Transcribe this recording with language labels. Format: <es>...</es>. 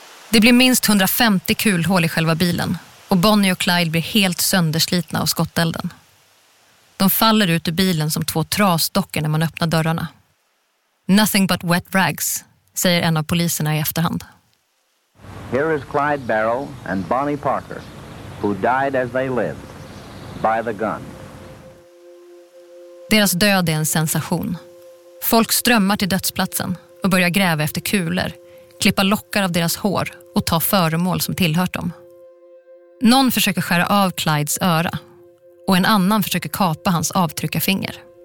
<sv>Det blir minst 150 kulhål i själva bilen och Bonnie och Clyde blir helt sönderslitna av skottelden. De faller ut ur bilen som två trasdockor när man öppnar dörrarna.</sv> <en>Nothing but wet rags,</en> <sv>säger en av poliserna i efterhand.</sv> <en>Here is Clyde Barrow and Bonnie Parker, who died as they lived, by the gun.</en> <sv>Deras död är en sensation. Folk strömmar till dödsplatsen och börjar gräva efter kulor, klippa lockar av deras hår och ta föremål som tillhört dem. Någon försöker skära av Clydes öra och en annan försöker kapa hans avtryckarfinger.</sv>